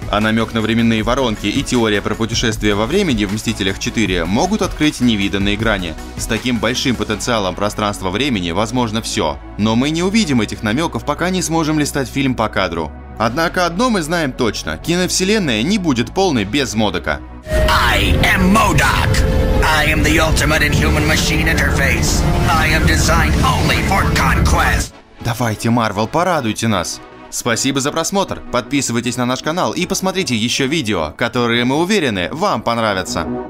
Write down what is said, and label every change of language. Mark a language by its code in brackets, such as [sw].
[ru] А намек на временные воронки и теория про путешествие во времени в «Мстителях 4» могут открыть невиданные грани. С таким большим потенциалом пространства-времени возможно все. Но мы не увидим этих намеков, пока не сможем листать фильм по кадру. Однако одно мы знаем точно – киновселенная не будет полной без Модока. [en] I am MODOK! I am the ultimate inhuman machine interface! I am designed only for conquest! [ru] Давайте, Марвел, порадуйте нас! Спасибо за просмотр! Подписывайтесь на наш канал и посмотрите еще видео, которые, мы уверены, вам понравятся!